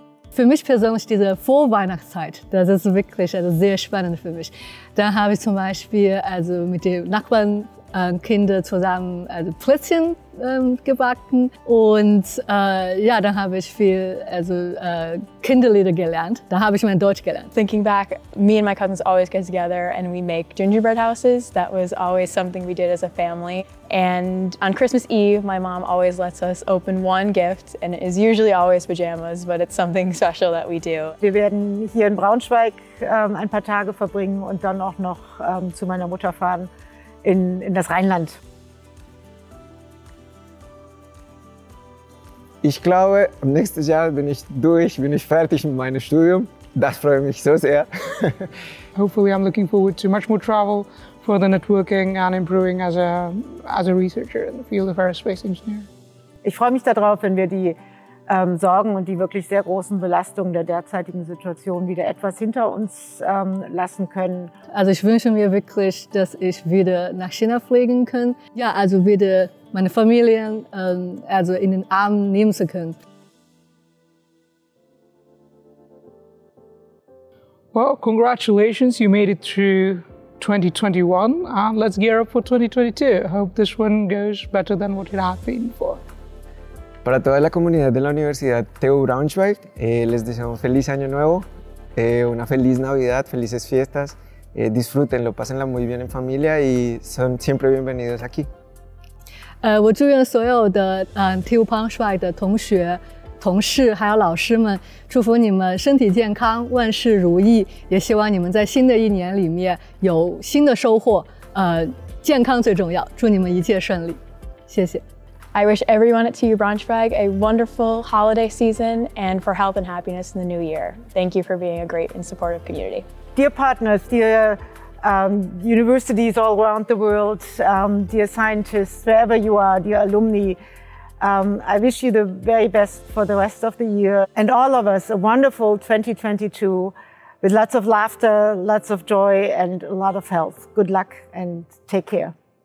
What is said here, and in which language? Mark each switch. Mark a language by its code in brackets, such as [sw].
[de] Für mich persönlich diese Vorweihnachtszeit, das ist wirklich also sehr spannend für mich. Da habe ich zum Beispiel also mit den Nachbarn Kinder zusammen also Plätzchen gebacken und ja, dann habe ich viel also Kinderlieder gelernt. Da habe ich mein Deutsch gelernt. [en] Thinking back, me and my cousins always get together and we make gingerbread houses. That was always something we did as a family. And on Christmas Eve, my mom always lets us open one gift and it is usually always pajamas, but it's something special that we do. [de] Wir werden hier in Braunschweig ein paar Tage verbringen und dann auch noch zu meiner Mutter fahren. In das Rheinland. Ich glaube, nächstes Jahr bin ich durch, bin ich fertig mit meinem Studium. Das freue mich so sehr. [en] Hopefully I'm looking forward to much more travel, further networking and improving as a researcher in the field of aerospace engineering. [de] Ich freue mich darauf, wenn wir die Sorgen und die wirklich sehr großen Belastungen der derzeitigen Situation wieder etwas hinter uns lassen können. Also ich wünsche mir wirklich, dass ich wieder nach China fliegen kann. Ja, also wieder meine Familie also in den Arm nehmen zu können. [en] Well, congratulations, you made it through 2021. And let's gear up for 2022. I hope this one goes better than what it had been for. [es] Para toda la comunidad de la Universidad TU Braunschweig, les deseo un feliz año nuevo, una feliz Navidad, felices fiestas, disfrútenlo, pásenla muy bien en familia y son siempre bienvenidos aquí. [zh] 我祝愿所有的TU Braunschweig的同学、同事还有老师们，祝福你们身体健康，万事如意，也希望你们在新的一年里面有新的收获。健康最重要，祝你们一切顺利，谢谢。 [en] I wish everyone at TU Braunschweig a wonderful holiday season and for health and happiness in the new year. Thank you for being a great and supportive community. Dear partners, dear universities all around the world, dear scientists, wherever you are, dear alumni, I wish you the very best for the rest of the year and all of us a wonderful 2022 with lots of laughter, lots of joy and a lot of health. Good luck and take care.